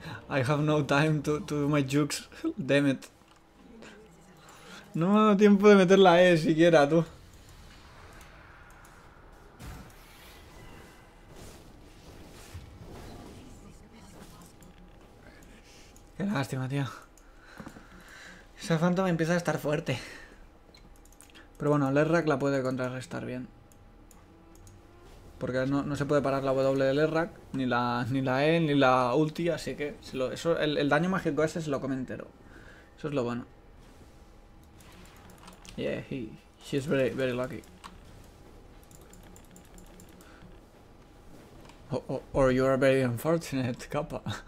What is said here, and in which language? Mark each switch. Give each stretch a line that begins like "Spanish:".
English: I have no time to do my jukes. Damn it.
Spanish: No me ha dado tiempo de meter la E siquiera, tú. Qué lástima, tío. Esa Phantom empieza a estar fuerte. Pero bueno, Lerrak la puede contrarrestar bien. Porque no se puede parar la W del Lerrak, ni la E, ni la ulti, así que el daño mágico ese se lo come entero. Eso es lo bueno.
English: Yeah, he is very, very lucky. Or you are very unfortunate, Kappa.